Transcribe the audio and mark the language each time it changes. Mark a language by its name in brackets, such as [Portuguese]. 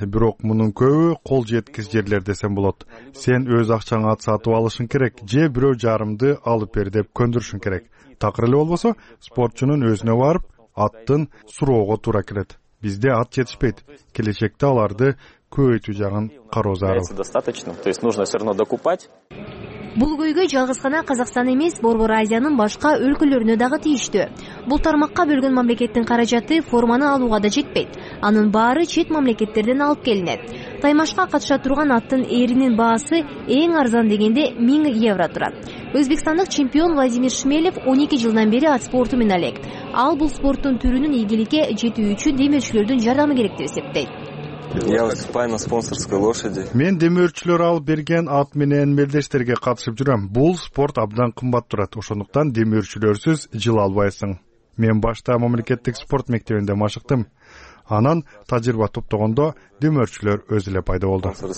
[Kyrgyz] Бирок мунун көбү кол жеткис жерлер десем болот. Сен өз акчаңа ат сатып алышың керек же бирөө жарымды алып бер деп көндүрүшүң керек. Такыр эле болбосо спортчунун өзүнө барып аттын суроого туура келет. Бизде ат жетишпейт. Келечекте аларды көбөйтүү жагын кароо зарыл. [Russian] Достаточно, то есть нужно всё равно докупать. [Kyrgyz] Бул көйгөй жалгыз гана Казакстан эмес, Борбор Азиянын башка өлкөлөрүнө дагы тийиштүү. Бул тармакка бөлгөн мамлекеттин каражаты форманы алууга да жетпейт. Анын баары чет мамлекеттерден алып келинет. Таймашка катыша турган аттын эринин баасы эң арзан дегенде 1000 евро турат. Өзбекстандык чемпион Владимир Шмелев 12 жылдан бери ат спорту менен алек. Ал бул спорттун түрүнүн ийгиликке жетүү үчүн демөөчүлөрдүн жардамы керек деп эсептейт. [Russian] Я выступаю на спонсорской лошади. [Kyrgyz] Мен демөөрчүлөр алып берген ат менен мелдештерге катышып жүрөм. Бул спорт абдан кымбат турат. Ошондуктан демөөрчүлөрсүз жыл албайсың. Мен башта мамлекеттик спорт мектебинде машыктым. Анан тажрыйба топтогондо демөөрчүлөр өз эле пайда болду.